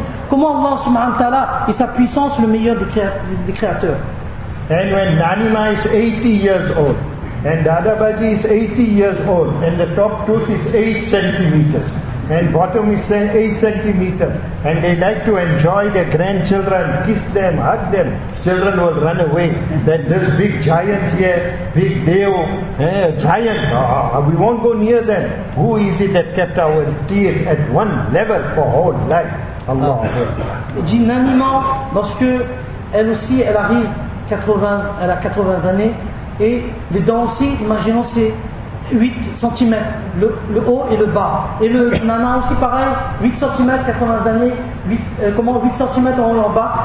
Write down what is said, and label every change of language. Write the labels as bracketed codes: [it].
[fr] Comment Allah subhanahu wa ta'ala et sa puissance le meilleur des créateurs. [en] And when Nanima is 80 years old and Dadabaji is 80 years old and the top tooth is 8 centimeters and bottom is 8 centimeters and they like to enjoy their grandchildren, kiss them, hug them, children will run away. That this big giant here, big Deo, giant, we won't go near them. Who is it that kept our teeth at one level for whole life? Allah. [fr] Nanima, lorsque elle aussi, elle arrive, elle a 80 années, et les dents aussi, imaginons, c'est 8 cm, le haut et le bas. Et le nana aussi pareil, 8 cm, 80 années, 8 cm en haut et en bas.